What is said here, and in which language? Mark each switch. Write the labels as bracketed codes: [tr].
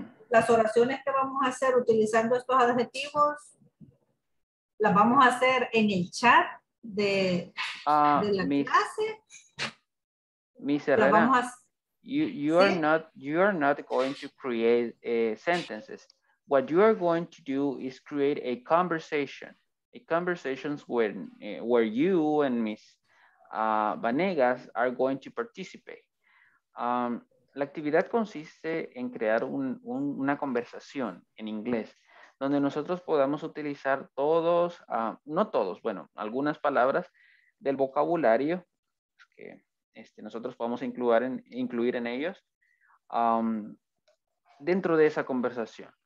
[es] Las oraciones que vamos a hacer utilizando estos adjetivos, las vamos a hacer en el chat de la clase. [en] Miss Herrera, you are not going to create sentences. What you are going to do is create a conversation. A conversation where you and Miss Vanegas are going to participate. [es] La actividad consiste en crear una conversación en inglés, donde nosotros podamos utilizar todos, no todos, bueno, algunas palabras del vocabulario que nosotros podamos incluir en ellos dentro de esa conversación.